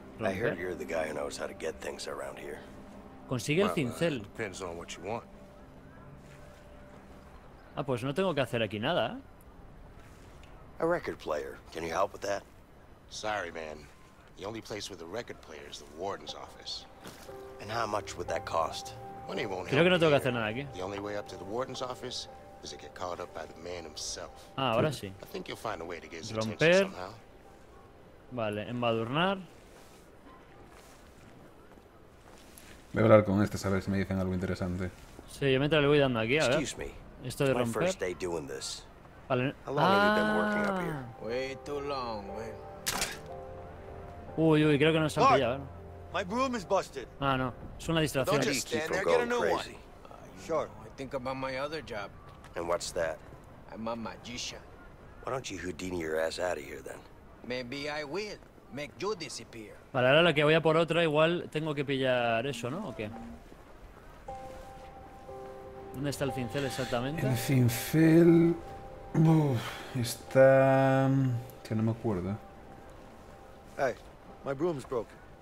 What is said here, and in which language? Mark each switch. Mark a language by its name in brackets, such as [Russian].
[English] I heard you're the guy who knows how to get things around here. [Spanish] Consigue el cincel. [English] Depends on what you want. [Spanish] Ah, pues no tengo que hacer aquí nada. [English] A record player. Can you help with that? Sorry, man. The only place with a record player is the warden's office. And how much would that cost? Money won't help. [Spanish] Creo que no tengo que hacer nada aquí. [English] The only way up to the warden's office is to get caught up by the man himself. [Spanish] Ah, ahora sí. [English] I think you'll find a way to get some attention somehow. [Spanish] Vale, embadurnar. Voy a hablar con este, a ver si me dicen algo interesante. Sí, yo mientras le voy dando aquí, a ver. [English] Excuse me. [Spanish] Esto de romper. [English] First day doing this. [Spanish] Vale. [English] How long have you been working up here? Way too long, man. [Spanish] Uy, creo que nos han pillado. [English] My broom is busted. [Spanish] Ah, no. Es una distracción. [English] Don't just stand there, get a new one. Sure, I think about my other job. And what's that? I'm a magician. Why don't you Houdini your ass out of here, then? Maybe I will make you disappear. [Spanish] Vale, ahora lo que voy a por otra, igual tengo que pillar eso, ¿no? ¿O qué? ¿Dónde está el cincel exactamente? El cincel... Uf, está... Que no me acuerdo. [English] Hey, my broom's broken.